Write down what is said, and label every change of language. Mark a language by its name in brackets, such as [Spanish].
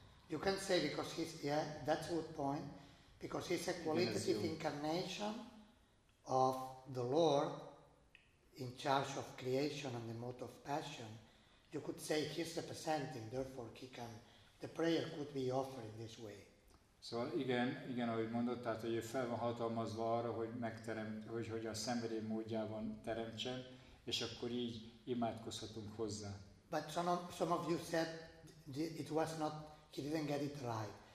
[English] You can say because he's, yeah, that's a good point, because he's a qualitative incarnation of the Lord in charge of creation and the mode of passion. You could say he's representing, therefore he can, the prayer could be offered in this way. [Hungarian] Szóval igen, igen, ahogy mondott, tehát hogy ő fel van hatalmazva arra, hogy megteremt, hogy a szenvedély módjában teremtsen, és akkor így imádkozhatunk hozzá. [English] But some of you said it was not, he didn't get it right.